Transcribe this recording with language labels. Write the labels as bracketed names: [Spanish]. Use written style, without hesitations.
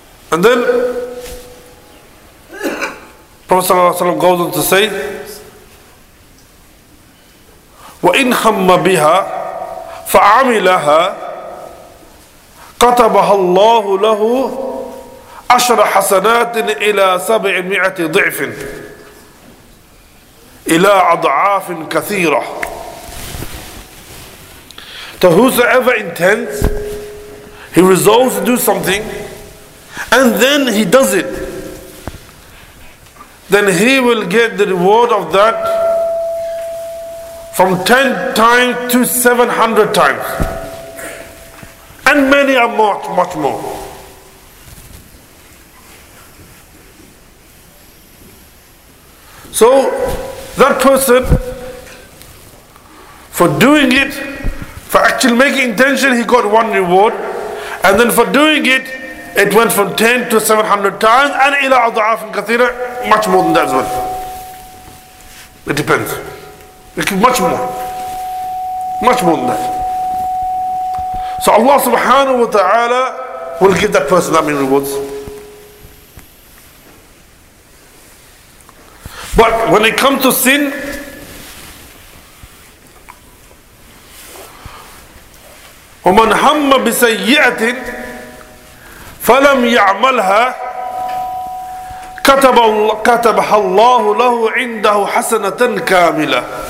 [English] And then Prophet ﷺ goes on to say, [Arabic] وَإِنْ خَمَّ بِهَا فَعَمِلَهَا كَتَبَهَا اللَّهُ لَهُ عَشْرَ حَسَنَاتٍ إِلَى 700 ضِعْفٍ إلى أضعاف كثيرة. [English] So whosoever intends, he resolves to do something, and then he does it, then he will get the reward of that from 10 times to 700 times. And many are much, much more. So, that person, for doing it, for actually making intention, he got one reward. And then for doing it, it went from 10 to 700 times, and [Arabic] ila adhaaf kathira, [English] much more than that as well. It depends. Much more than that. So Allah subhanahu wa ta'ala will give that person that many rewards. But when it comes to sin, [Arabic] وَمَنْ هَمَّ بِسَيِّئَةٍ فَلَمْ يَعْمَلْهَا كَتَبَهَا اللَّهُ لَهُ عِنْدَهُ حَسَنَةً كَامِلَةً.